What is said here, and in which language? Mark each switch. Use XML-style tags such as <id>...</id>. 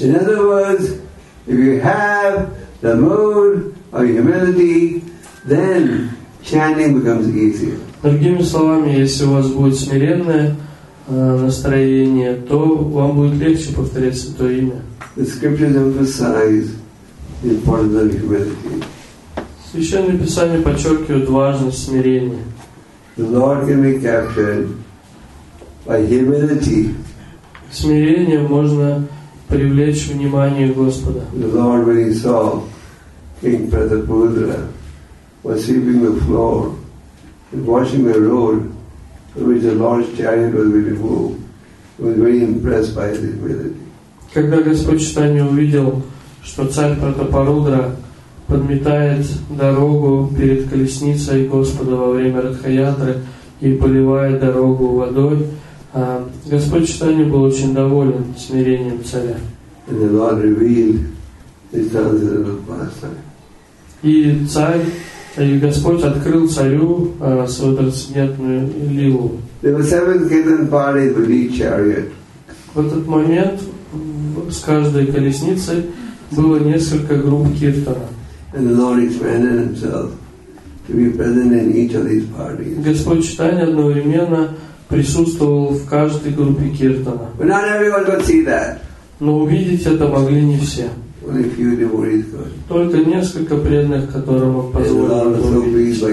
<en>In other words, if you have the mood of humility, then chanting becomes easier.</en> <ru>Другими словами, если у вас будет смиренное настроение, то вам будет легче повторять святое имя.</ru> <en>The scriptures emphasize the importance of humility.</en> <ru>Священное Писание подчеркивает важность смирения.</ru> <en>The Lord can be captured by humility.</en> <ru>Смирение можно привлечь внимание Господа.</ru> <en>The Lord, when he saw King Pratapudra was sweeping the floor and washing the road through which the Lord's chariot was being moved, he was very impressed by his humility.</en> <ru>Когда Господь Читания увидел, что царь Пратапарудра подметает дорогу перед колесницей Господа во время Ратхаятры и поливает дорогу водой, Господь Читания был очень доволен смирением царя.</ru> <en>And the Lord revealed his transcendental pastime.</en> <ru>И царь, и Господь открыл царю свою трансцендентную лилу.</ru> <en>There were seven hidden parties with each chariot.</en> <ru>В этот момент с каждой колесницей было несколько групп киртана.</ru> <en>And the Lord expanded himself to be present in each of these parties.</en> <ru>Господь Читания одновременно присутствовал в каждой группе киртана.</ru> <en>But not everyone could see that.</en> <ru>Но увидеть это могли не все.</ru> <en>Only few devotees could.</en> <ru>Только несколько преданных, которым позволили</ru>